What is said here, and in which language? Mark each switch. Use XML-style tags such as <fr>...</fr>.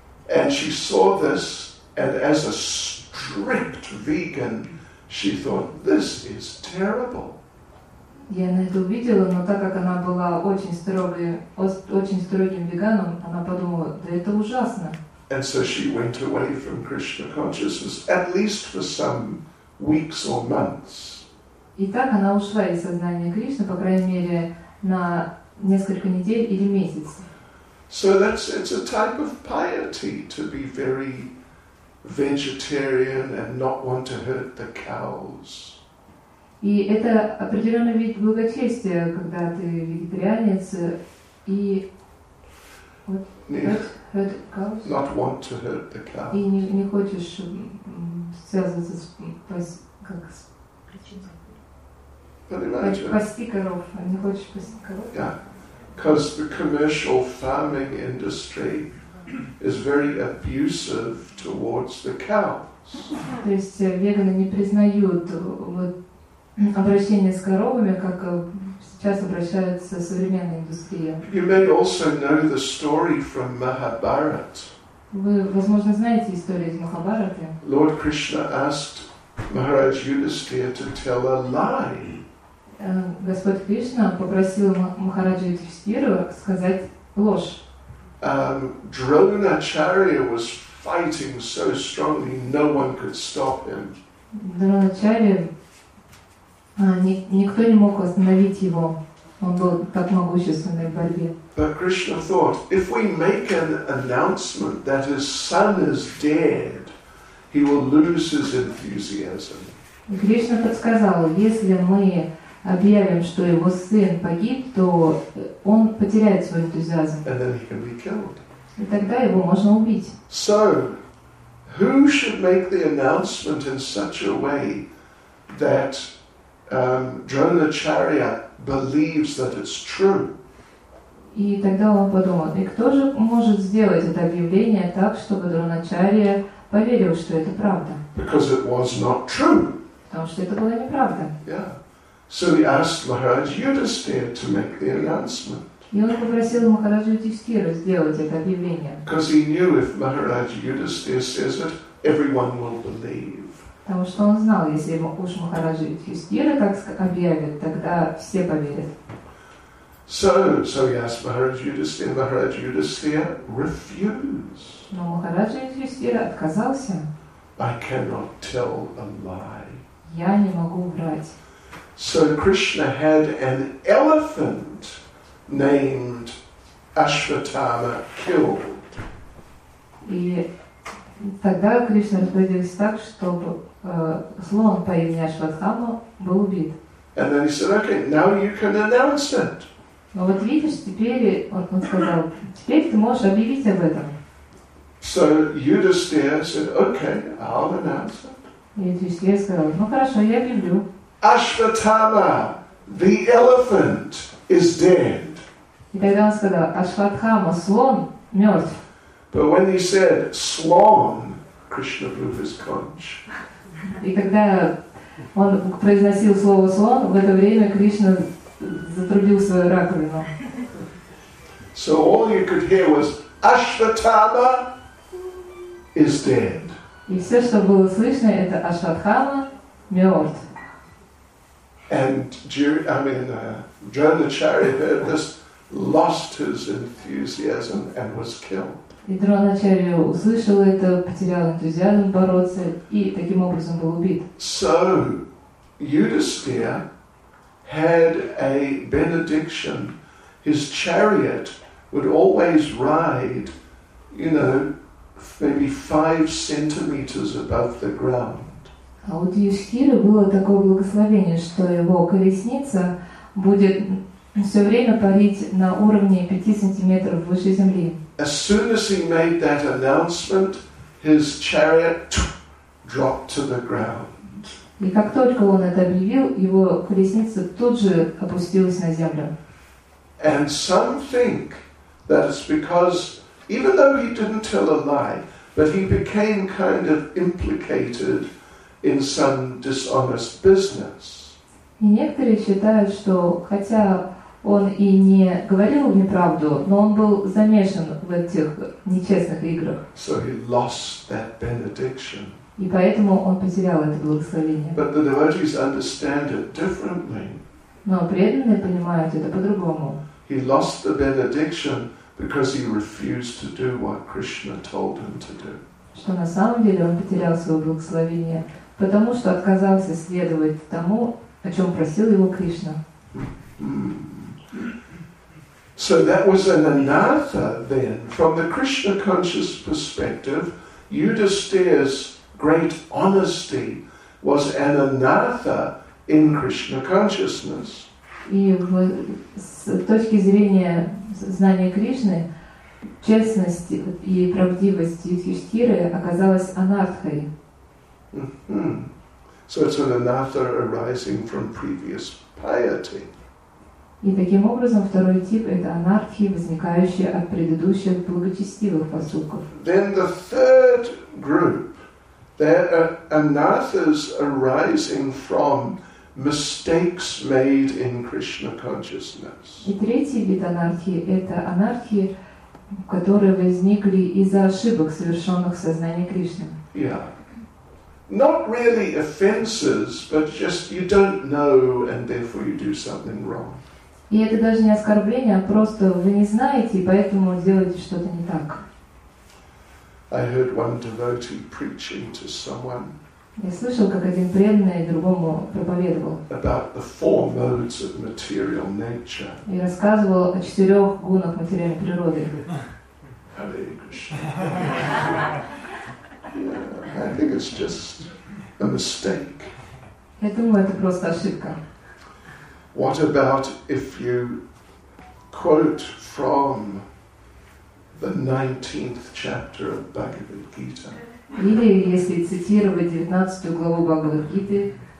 <en>And she saw this, and as a strict vegan, she thought, this is terrible.</en> <ru>Я на это увидела, но так как она была очень строгой, очень строгим веганом, она подумала, да это ужасно.</ru> <en>And so she went away from Krishna consciousness, at least for some weeks or months.</en> <ru>И так она ушла из сознания Кришны, по крайней мере, на несколько недель или месяц.</ru> <en>So that's, it's a type of piety to be very vegetarian and not want to hurt the cows.</en> <ru>И это определенный вид благочестия, когда ты вегетарианец и</ru> <en>not want to hurt the cows.</en> <ru>И не хочешь связываться с пасти коров, не хочешь пасти коров.</ru> <en>Because the commercial farming industry is very abusive towards the cows.</en> <ru>То есть веганы не признают обращение с коровами, как сейчас обращаются современная индустрия.</ru> <en>You may also know the story from Mahabharat.</en> <ru>Вы, возможно, знаете историю из Махабхараты.</ru> <en>Lord Krishna asked Maharaj Yudhisthira to tell a lie.</en> <ru>Господь Кришна попросил Махараджу Юдхиштхиру сказать ложь.</ru> <en>Дронача-рья was fighting so strongly, no one could stop him.</en> <ru>Дронача-рья, никто не мог остановить его. Он был так могущественный в борьбе.</ru> <en>But Krishna thought, if we make an announcement that his son is dead, he will lose his enthusiasm.</en> <ru>Кришна подсказал, если мы объявим, что его сын погиб, то он потеряет свой энтузиазм.</ru> <en>And then he can be killed.</en> <ru>И тогда его можно убить.</ru> <en>So, who should make the announcement in such a way that Dronacharya believes that it's true?</en> <ru>И тогда он подумал, и кто же может сделать это объявление так, чтобы Дроначария поверил, что это правда?</ru> <en>Because it was not true.</en> <ru>Потому что это была неправда.</ru> <en>Yeah. So he asked Maharaj Yudhisthira to make the announcement.</en> <ru>И он попросил Махараджу Юдхиштхиру сделать это объявление.</ru> <en>Because he knew if Maharaj Yudhisthira says it, everyone will believe.</en> <ru>Потому что он знал, если уж Махараджа Юдхиштхира так объявит, тогда все поверят.</ru> <en>So he asked Maharaj Yudhisthira. Maharaj Yudhisthira refused.</en> <ru>Но Махараджа Юдхиштхира отказался.</ru> <en>I cannot tell a lie.</en> <ru>Я не могу врать.</ru> <en>So Krishna had an elephant named Ashwatthama killed.</en> <ru>И тогда Кришна распорядился так, чтобы слон по имени Ашватхама был убит.</ru> <en>And then he said, "Okay, now you can announce it."</en> <ru>Но вот видишь, теперь он сказал, теперь ты можешь объявить об этом.</ru> <en>So Yudhisthira said, "Okay, I'll announce it."</en> <ru>И Yudhisthira сказал, ну хорошо, я объявлю.</ru> <en>Ashwatthama, the elephant, is dead.</en> <ru>И тогда он сказал, Ашватхама, слон, мертв.</ru> <en>But when he said slon, Krishna blew his conch.</en> <ru>И когда он произносил слово слон, в это время Кришна затрубил свою раковину.</ru> <en>So all you could hear was Ashwatthama is dead.</en> <ru>И все, что было слышно, это Ашватхама мертв.</ru> <en>And Dronacharya heard this, lost his enthusiasm and was killed.</en> <ru>И Дроначарья услышал это, потерял энтузиазм бороться и таким образом был убит.</ru> <en>So Yudhisthira had a benediction. His chariot would always ride, you know, maybe 5 centimeters above the ground.</en> <ru>А у Юдхиштхиры было такое благословение, что его колесница будет все время парить на уровне 5 сантиметров выше земли.</ru> <en>As soon as he made that announcement, his chariot dropped to the ground.</en> <ru>И как только он это объявил, его колесница тут же опустилась на землю.</ru> <en>And some think that it's because, even though he didn't tell a lie, but he became kind of implicated in some dishonest business.</en> <ru>И некоторые считают, что хотя он и не говорил неправду, но он был замешан в этих нечестных играх.</ru> <en>So he lost that benediction.</en> <ru>И поэтому он потерял это благословение.</ru> <en>But the devotees understand it differently.</en> <ru>Но преданные понимают это по-другому.</ru> <en>He lost the benediction because he refused to do what Krishna told him to do.</en> <ru>Что на самом деле он потерял свое благословение, потому что отказался следовать тому, о чем просил его Кришна.</ru> <en>So that was an anatha then. From the Krishna conscious perspective, Yudhisthira's great honesty was an anatha in Krishna consciousness.</en> <ru>И с точки зрения знания Кришны, честность и правдивость Юдхиштхиры оказалась анартхой. Mm-hmm.</ru> <en>So it's an anartha arising from previous piety.</en> <ru>И таким образом второй тип – это анартхи, возникающие от предыдущих благочестивых поступков.</ru> <en>Then the third group – there are anarthas arising from mistakes made in Krishna consciousness.</en> <ru>И третий вид анартхи – это анартхи, которые возникли из-за ошибок, совершенных в сознании Кришны.</ru> <en>Yeah. Not really offenses, but just you don't know and therefore you do something wrong.</en> <ru>И это даже не оскорбление, а просто вы не знаете, и поэтому делаете что-то не так.</ru> <en>I heard one devotee preaching to someone.</en> <ru>Я слышал, как один преданный другому проповедовал.</ru> <en>About the four modes of material nature.</en> <ru>И рассказывал о четырех гунах материальной природы.</ru> <en>Hare Krishna. Yeah, I think it's just a mistake.</en> <ru>Я думаю, это просто ошибка.</ru> <en>What about if you quote from the 19th chapter of Bhagavad Gita?</en> <ru>Или если цитировать 19 главу Бхагавад Гиты?</ru>